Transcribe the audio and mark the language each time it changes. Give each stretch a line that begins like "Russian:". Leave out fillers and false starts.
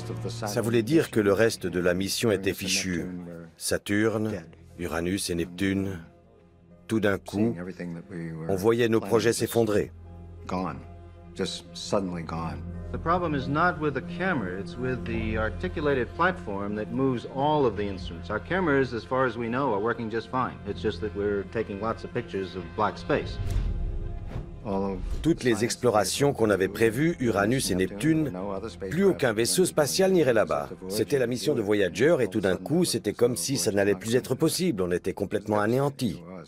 French: Ça voulait dire que le reste de la mission était fichu. Saturne, Uranus et Neptune. Tout d'un coup, on voyait nos projets s'effondrer.
English: Gone. Just suddenly gone. The problem is not with the camera, it's with the articulated platform that moves all of the instruments. Our cameras, as far as we know, are working just fine. It's just that we're taking lots of pictures of black space.
French: Toutes les explorations qu'on avait prévues, Uranus et Neptune, plus aucun vaisseau spatial n'irait là-bas. C'était la mission de Voyager et tout d'un coup, c'était comme si ça n'allait plus être possible. On était complètement anéantis.